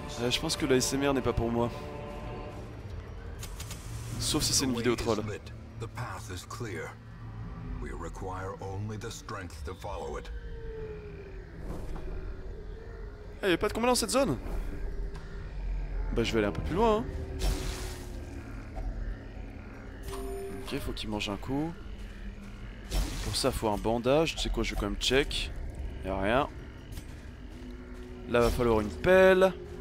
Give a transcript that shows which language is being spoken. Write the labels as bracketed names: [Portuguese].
[French] Je pense que l'ASMR n'est pas pour moi. Sauf si c'est une vidéo troll. [English] The path is clear. We require only the strength to follow it. [French] Hey, y'a pas de combat dans cette zone? Bah, je vais aller un peu plus loin. Ok, faut qu'il mange un coup. Pour ça, faut un bandage. Tu sais quoi, je vais quand même check. Y'a rien. Là, va falloir une pelle.